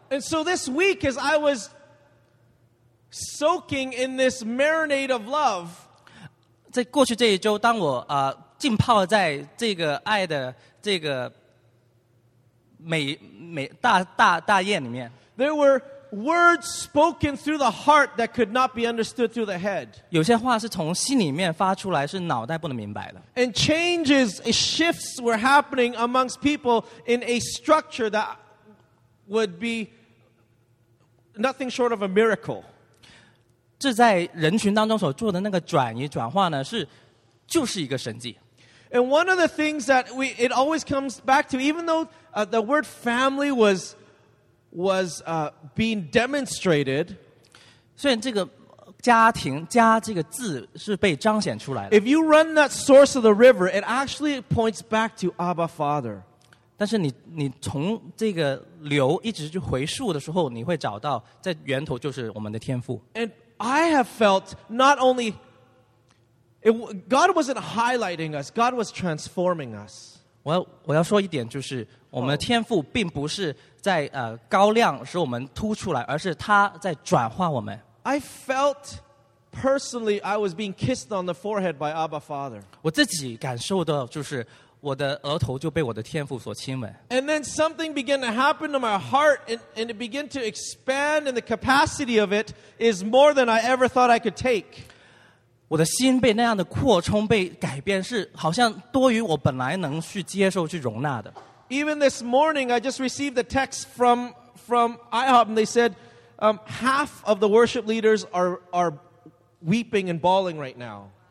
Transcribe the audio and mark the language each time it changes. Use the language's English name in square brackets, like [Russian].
[English] And so this week, as I was soaking in this marinade of love, [Chinese] 在过去这一周，当我浸泡在这个爱的这个美大宴里面 [English] ，there were words spoken through the heart that could not be understood through the head. [Chinese] 有些话是从心里面发出来，是脑袋不能明白的。 [English] And changes, shifts were happening amongst people in a structure that would be nothing short of a miracle. [Chinese] 这在人群当中所做的那个转移转化呢，是就是一个神迹。 [English] And one of the things that it always comes back to, even though the word family was being demonstrated, [Chinese] 虽然这个家庭家这个字是被彰显出来的。 [English] If you run that source of the river, it actually points back to Abba Father. [Chinese] 但是你从这个流一直去回溯的时候，你会找到在源头就是我们的天父。 [English] And I have felt not only God wasn't highlighting us, God was transforming us. [Chinese] 我要说一点，就是我们的天父并不是在高亮使我们突出来，而是他在转化我们。 [English] I felt personally I was being kissed on the forehead by Abba Father. [Chinese] 我自己感受到就是我的额头就被我的天父所亲吻。 [English] And then something began to happen to my heart, and it began to expand, and the capacity of it is more than I ever thought I could take. [Chinese] 我的心被那样的扩充、被改变，是好像多于我本来能去接受、去容纳的。 [English] Even this morning, I just received a text from IHOP, and they said half of the worship leaders are weeping and bawling right now.